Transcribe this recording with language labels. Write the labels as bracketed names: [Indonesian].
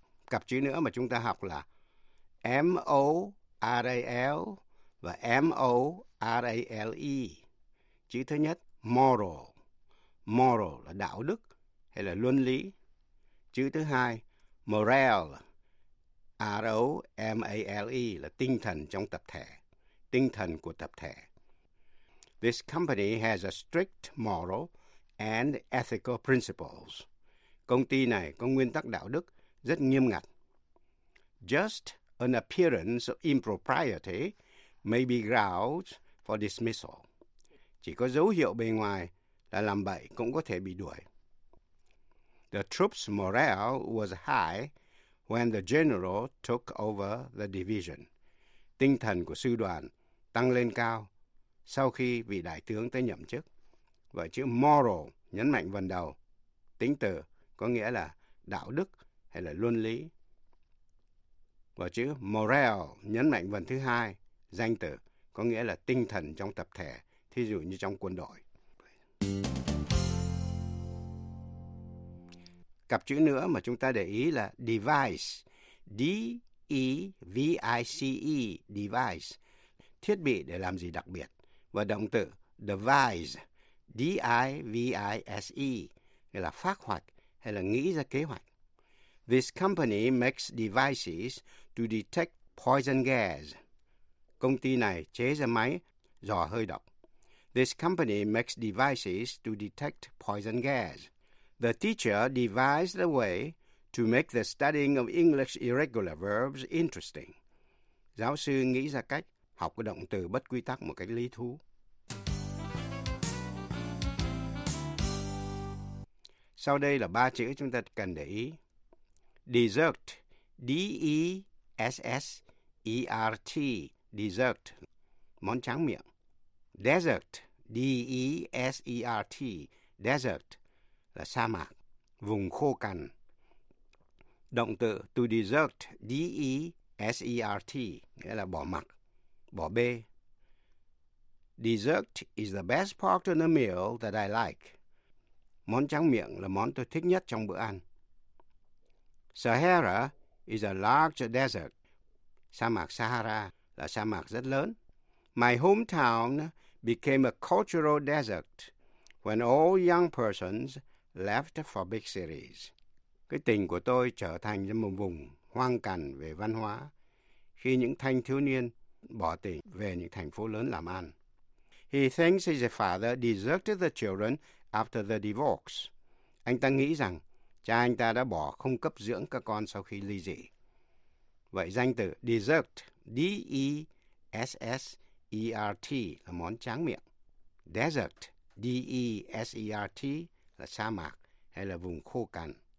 [Vietnamese] Cặp chữ nữa mà chúng ta học là M-O-R-A-L và M-O-R-A-L-E. Chữ thứ nhất, moral. Moral là đạo đức hay là luân lý. Chữ thứ hai, morale. R-O-M-A-L-E là tinh thần trong tập thể. Tinh thần của tập thể. [English] This company has a strict moral and ethical principles. [Vietnamese] Công ty này có nguyên tắc đạo đức rất nghiêm ngặt. [English] Just an appearance of impropriety may be grounds for dismissal. [Vietnamese] Chỉ có dấu hiệu bề ngoài là làm bậy cũng có thể bị đuổi. [English] The troops' morale was high when the general took over the division. [Vietnamese] Tinh thần của sư đoàn tăng lên cao sau khi vị đại tướng tới nhậm chức. Và chữ moral nhấn mạnh vần đầu, tính từ có nghĩa là đạo đức hay là luân lý. Và chữ morale nhấn mạnh vần thứ hai, danh từ, có nghĩa là tinh thần trong tập thể, thí dụ như trong quân đội. Cặp chữ nữa mà chúng ta để ý là device, D-E-V-I-C-E, device, thiết bị để làm gì đặc biệt. Và động từ devise, D-I-V-I-S-E, nghĩa là phác hoạch hay là nghĩ ra kế hoạch. [English] This company makes devices to detect poison gas. [Vietnamese] Công ty này chế ra máy dò hơi độc. [English] This company makes devices to detect poison gas. The teacher devised a way to make the studying of English irregular verbs interesting. [Vietnamese] Giáo sư nghĩ ra cách học cái động từ bất quy tắc một cách lý thú. Sau đây là ba chữ chúng ta cần để ý. Dessert, D-E-S-S-E-R-T, dessert, món tráng miệng. Desert, D-E-S-E-R-T, desert, là sa mạc, vùng khô cằn. Động từ to desert, D-E-S-E-R-T, nghĩa là bỏ mặc, bỏ bê. [English] Dessert is the best part of the meal that I like. [Vietnamese] Món tráng miệng là món tôi thích nhất trong bữa ăn. [English] Sahara is a large desert. [Vietnamese] Sa mạc Sahara là sa mạc rất lớn. [English] My hometown became a cultural desert when all young persons left for big cities. [Vietnamese] Cái tỉnh của tôi trở thành một vùng hoang cằn về văn hóa khi những thanh thiếu niên bỏ tỉnh về những thành phố lớn làm ăn. [English] He thinks his father deserted the children after the divorce. [Vietnamese] Anh ta nghĩ rằng cha anh ta đã bỏ không cấp dưỡng các con sau khi ly dị. Vậy danh từ dessert, D-E-S-S-E-R-T, là món tráng miệng. Desert, D-E-S-E-R-T, là sa mạc hay là vùng khô cằn.